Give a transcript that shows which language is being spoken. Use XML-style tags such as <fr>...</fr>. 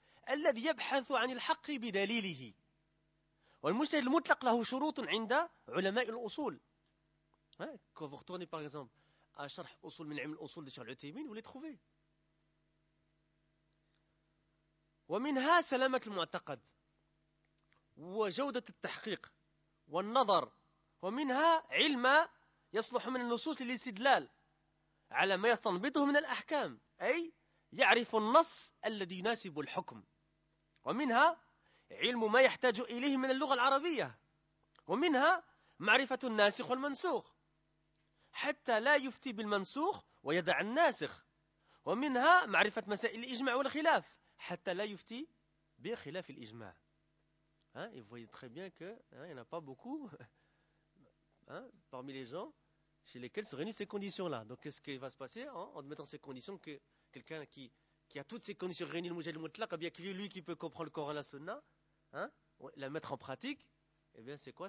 <ar>الذي يبحث عن الحق بدليله والمجتهد المطلق له شروط عند علماء الأصول.</ar> <fr>Quand vous retournez par exemple à شرح أصول من علم الأصول de Cheikh Al-Uthaymeen, vous les trouvez.</fr> <ar>ومنها سلامة المعتقد وجودة التحقيق والنظر ومنها علم يصلح من النصوص للاستدلال على ما يستنبطه من الأحكام أي يعرف النص الذي يناسب الحكم ومنها علم ما يحتاج إليه من اللغة العربية ومنها معرفة الناسخ والمنسوخ حتى لا يفتي بالمنسوخ ويدع الناسخ ومنها معرفة مسائل الإجماع والخلاف حتى لا يفتي بخلاف الإجماع.</ar> <fr>Et vous voyez très bien que il n'y en a pas beaucoup parmi les gens chez lesquels se réunissent ces conditions-là. Donc qu'est-ce qui va se passer en admettant ces conditions que quelqu'un qui a toutes ces conditions réunies, le Mujahid al-Mutlaq, bien que lui qui peut comprendre le Coran et la Sunna, la mettre en pratique, eh bien c'est quoi?</fr>